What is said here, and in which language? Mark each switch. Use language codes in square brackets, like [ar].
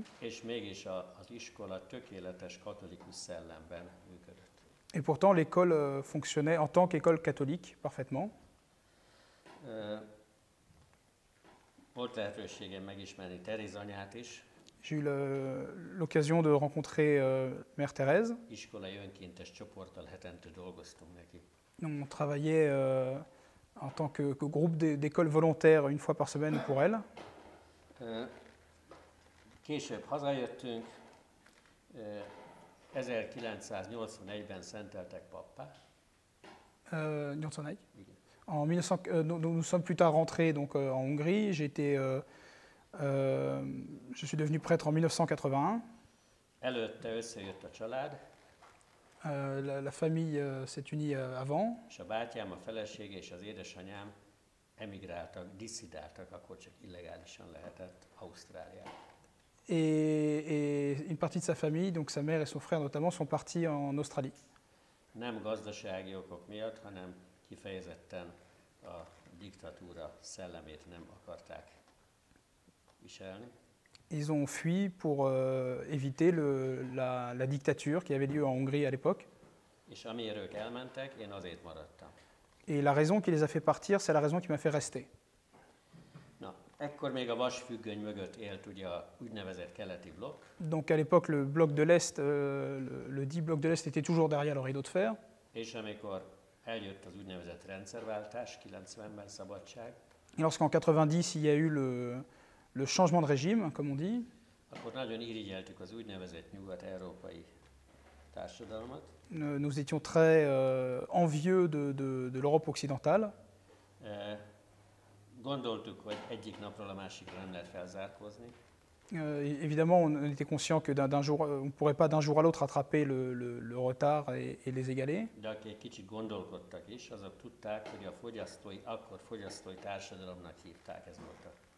[hu] És mégis az iskola tökéletes katolikus szellemben működött. [fr] Et pourtant l'école fonctionnait en tant qu'école catholique parfaitement. [hu] Volt lehetőségem megismerni Teréz anyát is. [fr] J'ai eu l'occasion de rencontrer Mère Thérèse. [hu] Iskolai önkéntes csoporttal hetente dolgoztunk neki. [fr] Donc, on travaillait en tant que groupe d'école volontaire une fois par semaine pour elle. [hu] Később hazajöttünk, 1981-ben szenteltek pappá. [fr] Nous sommes plus tard rentrés donc en Hongrie. Je suis devenu prêtre en 1981. [hu] Előtte összejött a család. [fr] La famille s'est unie avant. [hu] És a bátyám, a felesége és az édesanyám emigráltak, disszidáltak, akkor csak illegálisan lehetett Ausztráliába. [fr] Et une partie de sa famille, donc sa mère et son frère notamment, sont partis en Australie. [hu] Nem gazdasági okok miatt, hanem kifejezetten a diktatúra szellemét nem akarták viselni. [fr] Ils ont fui pour éviter la dictature qui avait lieu en Hongrie à l'époque. [hu] És amiért ők elmentek, én azért maradtam. [fr] Et la raison qui les a fait partir, c'est la raison qui m'a fait rester. [hu] Na, ekkor még a vasfüggöny mögött élt ugye a úgynevezett keleti blokk. [fr] Donc à l'époque, le bloc de l'Est, le dit bloc de l'Est était toujours derrière le rideau de fer. [hu] És amikor eljött az úgynevezett rendszerváltás, 90-ben szabadság. [fr] Et lorsqu'en 90, il y a eu le changement de régime, comme on dit. [hu] Akkor nagyon irigyeltük az úgynevezett nyugat-európai társadalmat. [fr] Nous étions très envieux de l'Europe occidentale. [hu] Gondoltuk, hogy egyik napról a másikra nem lehet felzárkózni. [fr] Évidemment, on était conscient que d'un jour, on ne pourrait pas d'un jour à l'autre attraper le retard et les égaler. [hu] De akik egy kicsit gondolkodtak is, azok tudták, hogy a fogyasztói, akkor fogyasztói társadalomnak hívták, ez volt a